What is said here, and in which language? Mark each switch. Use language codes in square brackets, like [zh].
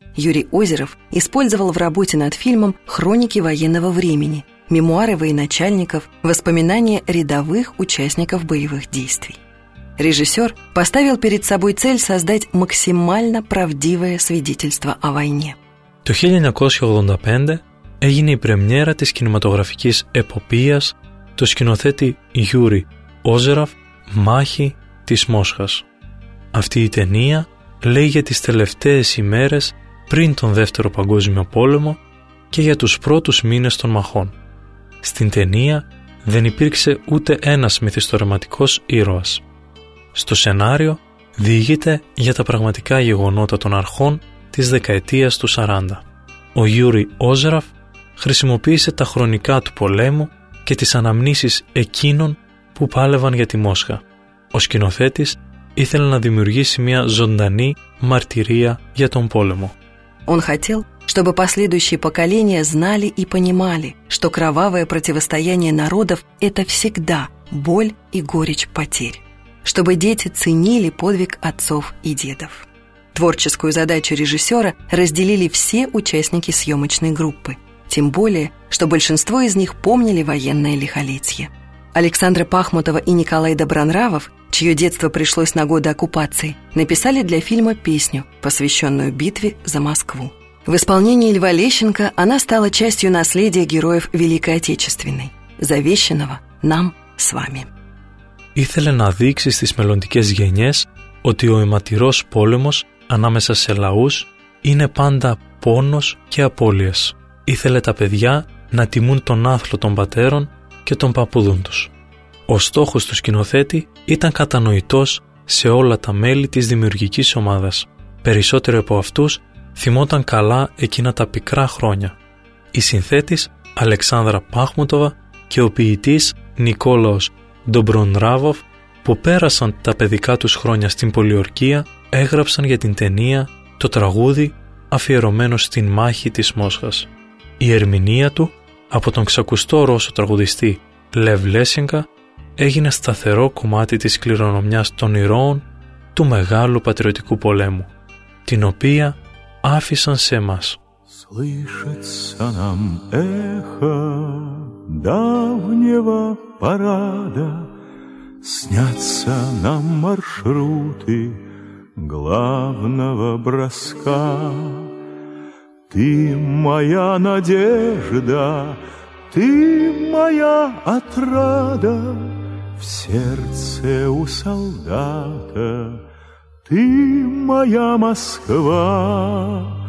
[ru] Юрий Озеров использовал в работе над фильмом хроники военного времени, мемуары военачальников, воспоминания рядовых участников боевых действий. Режиссер поставил перед собой цель создать максимально правдивое свидетельство о войне. [el] Το 1985 έγινε η πρεμιέρα της κινηματογραφικής εποπίας του σκηνοθέτη Γιούρι Όζεροφ «Μάχη της Μόσχας». Αυτή η ταινία λέει για τις τελευταίες ημέρες πριν τον Δεύτερο Παγκόσμιο Πόλεμο και για τους πρώτους μήνες των μαχών. Στην ταινία δεν υπήρξε ούτε ένας μυθιστορηματικός ήρωας. Στο σενάριο διηγείται για τα πραγματικά γεγονότα των αρχών της δεκαετίας του 40. Ο Γιούρι Όζεροφ χρησιμοποίησε τα χρονικά του πολέμου και και τις αναμνήσεις εκείνων που πάλευαν για τη Μόσχα. Ο σκηνοθέτης ήθελε να δημιουργήσει μια ζωντανή μαρτυρία για τον πόλεμο. [ru] Он хотел, чтобы последующие поколения знали и понимали, что кровавое противостояние народов – это всегда боль и горечь потерь. Чтобы дети ценили подвиг отцов и дедов. Творческую задачу режиссера разделили все участники съемочной группы. Тем более, что большинство из них помнили военное лихолетие. Александра Пахмутова и Николай Добронравов, чье детство пришлось на годы оккупации, написали для фильма песню, посвященную битве за Москву. В исполнении Льва Лещенко она стала частью наследия героев Великой Отечественной, завещанного нам с вами. [el] Ήθελε να δείξει στις μελλοντικές γενιές ότι ο αιματηρός πόλεμος ανάμεσα σε λαούς είναι πάντα πόνος και απώλειες. Ήθελε τα παιδιά να τιμούν τον άθλο των πατέρων και των παππούδων τους. Ο στόχος του σκηνοθέτη ήταν κατανοητός σε όλα τα μέλη της δημιουργικής ομάδας. Περισσότεροι από αυτούς θυμόταν καλά εκείνα τα πικρά χρόνια. Η συνθέτης Αλεξάνδρα Πάχμουτοβα και ο ποιητής Νικόλαος Ντομπρονράβοφ, που πέρασαν τα παιδικά τους χρόνια στην πολιορκία, έγραψαν για την ταινία το τραγούδι αφιερωμένο στην μάχη της Μόσχας. Η ερμηνεία του από τον ξακουστό Ρώσο τραγουδιστή Λεβ Λέσινγκα έγινε σταθερό κομμάτι της κληρονομιάς των ηρώων του Μεγάλου Πατριωτικού Πολέμου, την οποία άφησαν σε εμάς. [ru] Слышится нам эхо давнего парада, снятся нам маршруты главного броска. Ты моя надежда, ты моя отрада, в сердце у солдата, ты моя Москва.